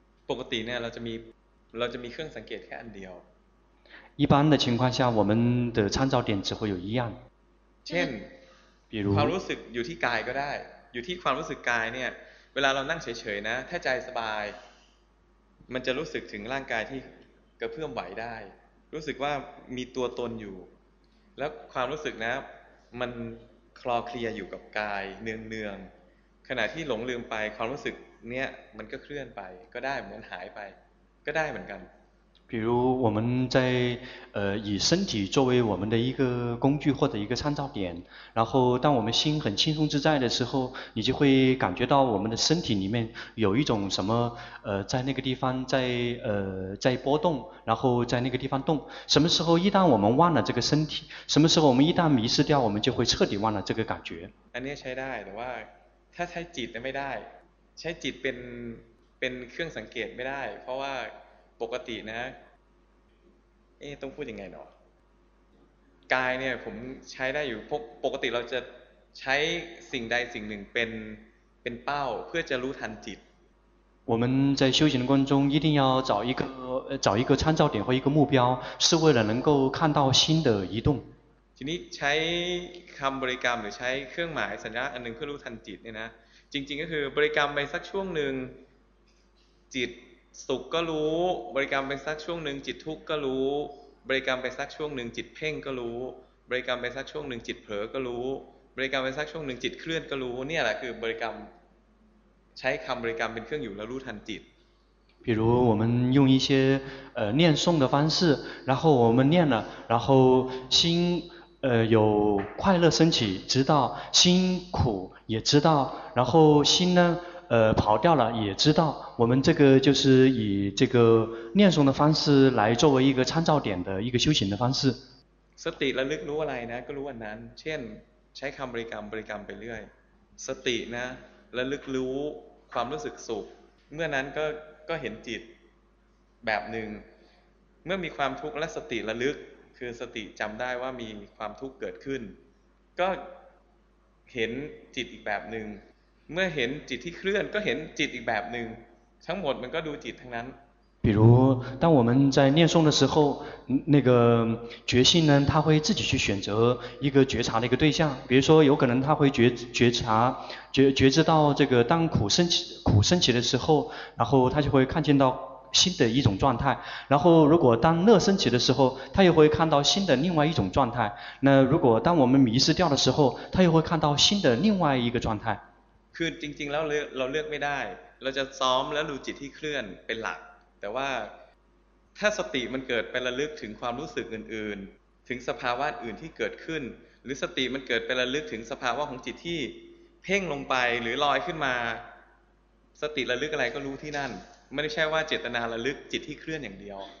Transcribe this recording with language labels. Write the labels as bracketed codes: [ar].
[th] ปกติเนี่ยเราจะมีเครื่องสังเกตแค่อันเดียว。 [zh] 一般的情况下我们的参照点只会有一样 [th] เช่นความรู้สึกอยู่ที่กายก็ได้อยู่ที่ความรู้สึกกายเนี่ยเวลาเรานั่งเฉยๆนะถ้าใจสบายมันจะรู้สึกถึงร่างกายที่กระเพื่อมไหวได้รู้สึกว่ามีตัวตนอยู่แล้วความรู้สึกนะมันคลอเคลียอยู่กับกายเนืองๆขณะที่หลงลืมไปความรู้สึกเนี่ยมันก็เคลื่อนไปก็ได้เหมือนหายไปก็ได้เหมือนกัน [zh] 比如我们在以身体作为我们的一个工具或者一个参照点，然后当我们心很轻松自在的时候，你就会感觉到我们的身体里面有一种什么在那个地方在波动，然后在那个地方动。什么时候一旦我们忘了这个身体，什么时候我们一旦迷失掉，我们就会彻底忘了这个感觉。 [th] อันนี้ใช้ได้แต่ว่าถ้าใช้จิตไม่ได้ใช้จิตเป็นเครื่องสังเกตไม่ได้เพราะว่าปกตินะต้องพูดยังไงเนาะกายเนี่ยผมใช้ได้อยู่ปกติเราจะใช้สิ่งใดสิ่งหนึ่งเป็นเป้าเพื่อจะรู้ทันจิต [zh] 我们在修行的过程中一定要找一个参照点或一个目标是为了能够看到心的移动 [th] ทีนี้ใช้คำบริกรรมหรือใช้เครื่องหมายสัญญาอันหนึ่งเพื่อรู้ทันจิตเนี่ยนะจริงๆก็คือบริกรรมไปสักช่วงหนึ่งจิตสุขก็รู้บริกรรมไปสักช่วงหนึ่งจิตทุกข์ก็รู้บริกรรมไปสักช่วงหนึ่งจิตเพ่งก็รู้บริกรรมไปสักช่วงหนึ่งจิตเผลอก็รู้บริกรรมไปสักช่วงหนึ่งจิตเคลื่อนก็รู้เนี่ยแหละคือบริกรรมใช้คำบริกรรมเป็นเครื่องอยู่แล้วรู้ทันจิต [zh] 比如我们用一些念诵的方式然后我们念了然后心有快乐升起知道心苦也知道然后心呢跑掉了也知道我们这个就是以这个念诵的方式来作为一个参照点的一个修行的方式 [th] สติระลึกรู้อะไรนะก็รู้อันนั้นเช่นใช้คำบริกรรมบริกรรมไปเรื่อยสตินะระลึกรู้ความรู้สึกสุขเมื่อนั้นก็เห็นจิตแบบหนึ่ง เมื่อมีความทุกข์และสติระลึกคือสติจำได้ว่ามีความทุกข์เกิดขึ้นก็เห็นจิตอีกแบบนึงเมื่อเห็นจิตที่เคลื่อนก็เห็นจิตอีกแบบนึงทั้งหมดมันก็ดูจิตทั้งนั้น [zh] 比如当我们在念诵的时候那个觉性呢他会自己去选择一个觉察的一个对象比如说有可能他会 觉察觉知到这个当苦升起的时候然后他就会看见到新的一种状态然后如果当乐升起的时候他又会看到新的另外一种状态那如果当我们迷失掉的时候他又会看到新的另外一个状态 [th] คือจริงๆแล้วเราเลือกไม่ได้เราจะซ้อมแล้วดูจิตที่เคลื่อนเป็นหลักแต่ว่าถ้าสติมันเกิดไประลึกถึงความรู้สึกอื่นๆถึงสภาวะอื่นที่เกิดขึ้นหรือสติมันเกิดไประลึกถึงสภาวะของจิตที่เพ่งลงไปหรือลอยขึ้นมาสติระลึกอะไรก็รู้ที่นั่นไม่ได้ใช่ว่าเจตนาระลึกจิตที่เคลื่อนอย่างเดียว